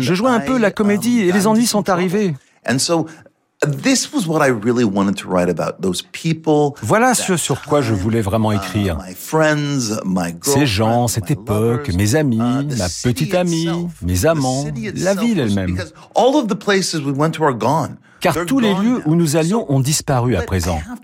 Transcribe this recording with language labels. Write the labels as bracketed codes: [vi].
[fr] Je jouais un peu la comédie et les ennuis sont arrivés. Voilà ce sur quoi je voulais vraiment écrire. Ces gens, cette époque, mes amis, ma petite amie, mes amants, la ville elle-même. [en] All of the places we went to are gone. [fr] car tous les lieux où nous allions ont disparu à présent.